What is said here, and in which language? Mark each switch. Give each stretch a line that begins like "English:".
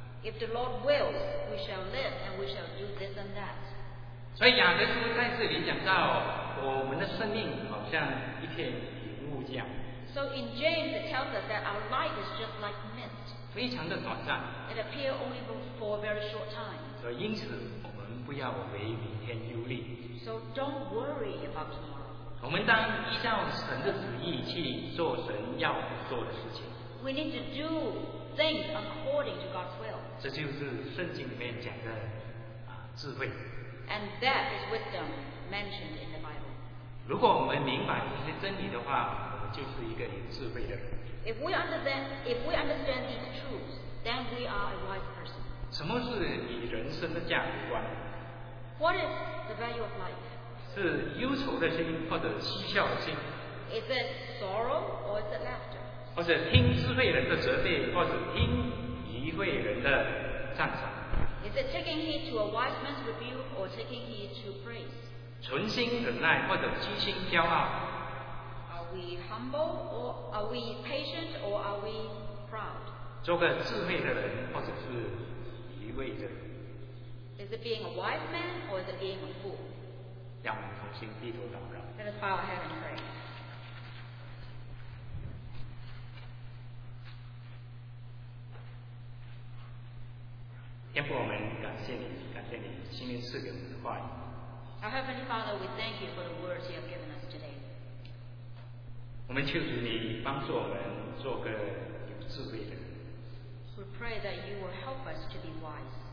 English: If the Lord wills, we shall live and we shall do this and that.
Chinese: 所以雅各书在这里讲到，我们的生命好像一片云雾一样。
English: So in James it tells us that our life is just like mist.
Chinese: 非常的短暂。
English: It appears only for a very short time.
Chinese: 所以因此我们不要为明天忧虑。
English: So don't worry about tomorrow.
Chinese: 我们当依照神的旨意去做神要做的事情。
English: We need to do things according to God's will.
Chinese: 这就是圣经里面讲的智慧。
English: And that is wisdom mentioned in the Bible.
Chinese: 如果我们明白这些真理的话，就是一个有智慧的。
English: If we understand these truths, then we are a wise person.
Chinese: 什么是以人生的价值观？
English: What is the value of life?
Chinese: 是忧愁的心或者嬉笑的心？
English: Is it sorrow or is it laughter?
Chinese: 或者听智慧人的责备，或者听愚昧人的赞赏？
English: Is it taking heed to a wise man's rebuke or taking heed to praise?
Chinese: 存心忍耐或者虚心骄傲？
English: Are we humble or are we patient or are we proud?
Chinese: 做个智慧的人或者是愚昧的人。
English: Is it being a wise man or is it being a fool?
Chinese: 让我们重新低头祷告。
English: Let us bow our head and pray.
Chinese: 天父，我们感谢你，感谢你今天赐给我们的话语。
English: Our Heavenly Father, we thank you for the words you have given us today.
Chinese: 我们求主你帮助我们做个有智慧的人。
English: We pray that you will help us to be wise.